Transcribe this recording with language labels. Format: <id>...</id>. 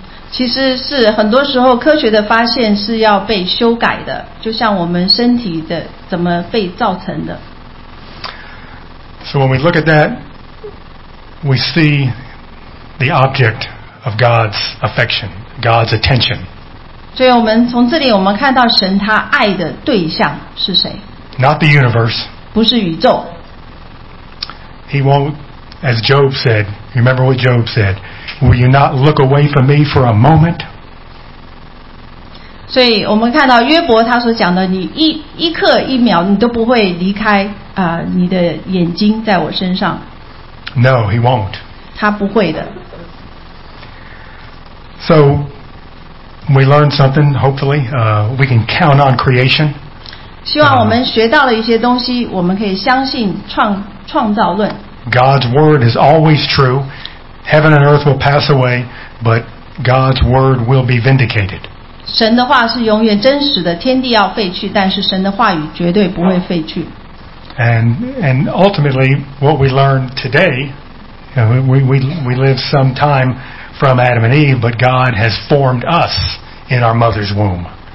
<zh>其实是很多时候科学的发现是要被修改的，就像我们身体的怎么被造成的。</zh> <en>So when we look at that, we see the object of God's affection, God's attention.</en> <zh>所以我们从这里我们看到神他爱的对象是谁</zh> <en>？Not the universe.</en> <zh>不是宇宙。</zh> <en>He won't, as Job said, remember what Job said, will you not look away from me for a moment?</en> <zh>所以我们看到约伯他所讲的，你一刻一秒你都不会离开你的眼睛在我身上。</zh> <en>No, he won't.</en> <zh>他不会的。</zh> <en>So, we learned something, hopefully, we can count on creation.</en> <zh>希望我们学到了一些东西，我们可以相信创造论。</zh> <en>God's word is always true. Heaven and earth will pass away, but God's word will be vindicated.</en> <zh>神的话是永远真实的，天地要废去，但是神的话语绝对不会废去。</zh> <en>And ultimately, what we learn today, you know, we live some time from Adam and Eve, but God has formed us in our mother's womb.</en>